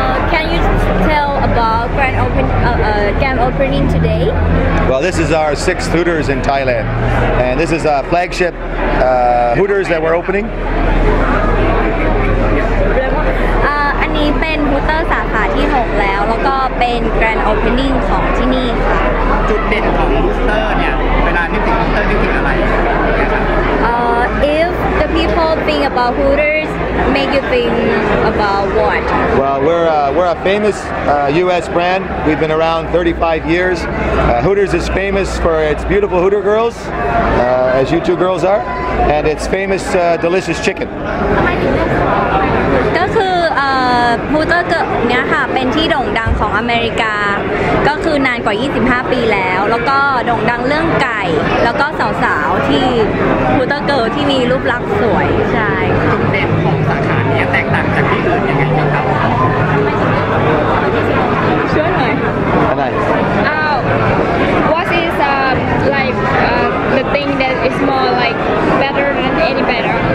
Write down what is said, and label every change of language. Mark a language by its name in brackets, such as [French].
[English] Can you tell about grand open grand opening today? Well, this is our 6th Hooters in Thailand, and this is a flagship Hooters that we're opening. [Thai] อันนี้เป็น Hooters สาขาที่6แล้วแล้วก็เป็น grand opening ของที่นี่ค่ะ จุดเด่นของ Hooters เนี่ยเวลานึกถึง Hooters นึกถึงอะไร [English] If the people think about Hooters, make you think about what? Well, we're a famous U.S. brand. We've been around 35 years. Hooters is famous for its beautiful Hooter girls, as you two girls are, and its famous delicious chicken. [Thai] ก็คือ Hooters เนี่ยค่ะเป็นที่โด่งดังของอเมริกาก็คือนานกว่า25ปีแล้วแล้วก็โด่งดังเรื่องไก่แล้วก็สาวๆที่ Hooters Girl ที่มีรูปลักษณ์สวยใช่ค่ะ จุดเด่นของสาขานี้แตกต่างจากที่อื่นยังไงครับ ช่วยหน่อย อะไร [English] What is like the thing that is more like better than any better